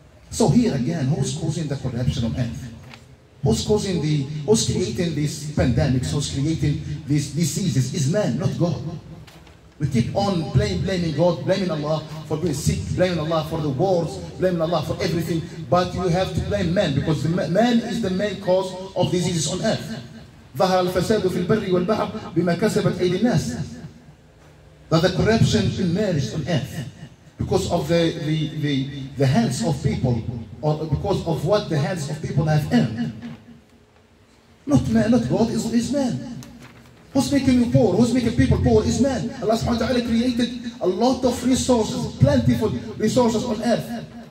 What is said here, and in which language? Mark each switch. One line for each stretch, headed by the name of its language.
English: So here again, who's causing the corruption of health? Who's creating these pandemics? Who's creating these diseases? Is man, not God. We keep on blaming God, blaming Allah for being sick, blaming Allah for the wars, blaming Allah for everything. But you have to blame man, because the man is the main cause of diseases on earth.
Arabic: ظهر الفساد في البر والبحر بما كسبت أيدي الناس.
English: That the corruption emerged on earth because of the hands of people, or because of what the hands of people have earned. Not man, not God, is man. Who's making you poor? Who's making people poor? Is man. Allah subhanahu wa ta'ala created a lot of resources, plentiful resources on earth.